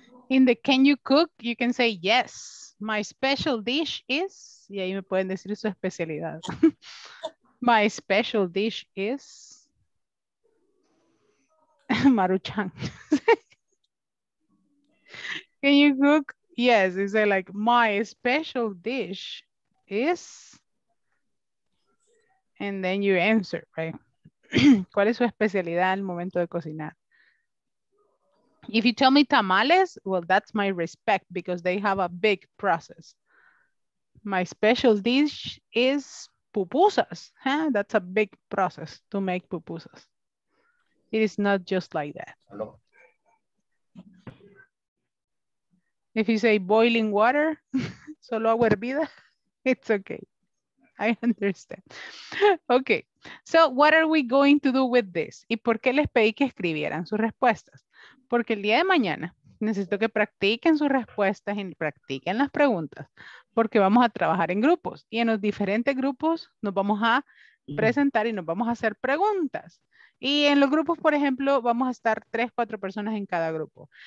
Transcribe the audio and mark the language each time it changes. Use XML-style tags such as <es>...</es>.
<en>In the can you cook, you can say yes. My special dish is,</en> <es>y ahí me pueden decir su especialidad.</es> <en>My special dish is Maruchan. Can you cook? Yes, you say like my special dish is. And then you answer, right?</en> <es>¿Cuál es su especialidad al momento de cocinar?</es> <en>If you tell me tamales, well, that's my respect because they have a big process. My special dish is pupusas. Huh? That's a big process to make pupusas. It is not just like that. Hello. If you say boiling water,</en> <es>solo agua hervida,</es> <en>it's okay. I understand. Okay. So what are we going to do with this?</en> <es>¿Y por qué les pedí que escribieran sus respuestas? Porque el día de mañana necesito que practiquen sus respuestas y practiquen las preguntas porque vamos a trabajar en grupos y en los diferentes grupos nos vamos a presentar y nos vamos a hacer preguntas. Y en los grupos, por ejemplo, vamos a estar 3-4 personas en cada grupo.</es>